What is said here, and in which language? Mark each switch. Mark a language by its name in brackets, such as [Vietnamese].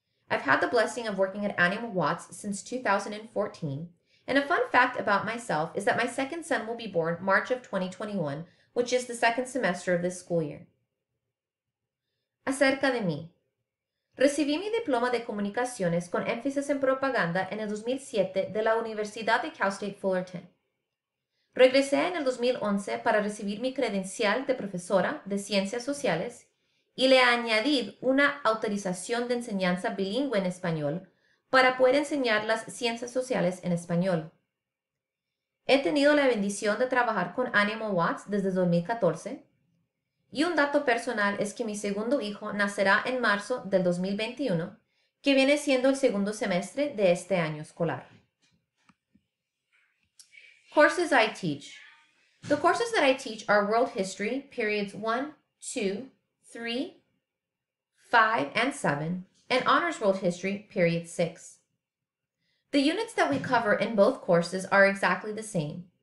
[English] I've had the blessing of working at Animal Watts since 2014, and a fun fact about myself is that my second son will be born March of 2021, which is the second semester of this school year. [Spanish] Acerca de mí. Recibí mi diploma de comunicaciones con énfasis en propaganda en el 2007 de la Universidad de Cal State Fullerton. Regresé en el 2011 para recibir mi credencial de profesora de ciencias sociales y le añadí una autorización de enseñanza bilingüe en español para poder enseñar las ciencias sociales en español. He tenido la bendición de trabajar con Animal Watts desde 2014. Y un dato personal es que mi segundo hijo nacerá en marzo del 2021, que viene siendo el segundo semestre de este año escolar. [English] Courses I teach. The courses that I teach are World History, periods 1, 2, 3, 5, and 7, and Honors World History, period 6. The units that we cover in both courses are exactly the same.